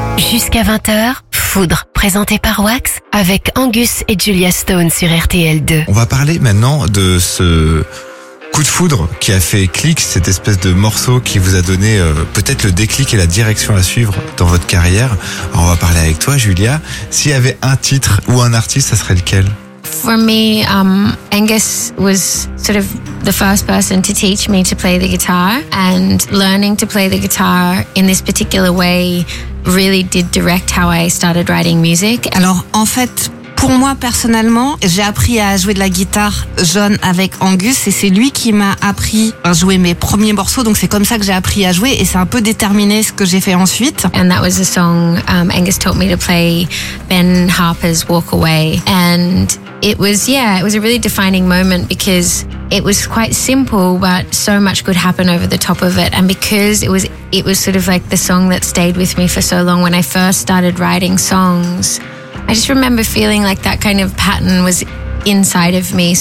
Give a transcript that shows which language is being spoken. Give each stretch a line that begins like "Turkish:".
French: Jusqu'à 20h, Foudre, présenté par Wax, avec Angus et Julia Stone sur RTL 2. On va parler maintenant de ce coup de foudre qui a fait clic, cette espèce de morceau qui vous a donné peut-être le déclic et la direction à suivre dans votre carrière. Alors on va parler avec toi, Julia. S'il y avait un titre ou un artiste, ça serait lequel ?
English: For me, Angus was sort of the first person to teach me to play the guitar, and learning to play the guitar in this particular way really did direct how I started writing music.
French: Alors, en fait, pour moi personnellement, j'ai appris à jouer de la guitare jeune avec Angus, et c'est lui qui m'a appris à jouer mes premiers morceaux, donc c'est comme ça que j'ai appris à jouer, et c'est un peu déterminé ce que j'ai fait ensuite.
English: And that was a song Angus taught me to play, Ben Harper's Walk Away, and it was a really defining moment because it was quite simple, but so much could happen over the top of it. And because it was sort of like the song that stayed with me for so long when I first started writing songs, I just remember feeling like that kind of pattern was inside of me.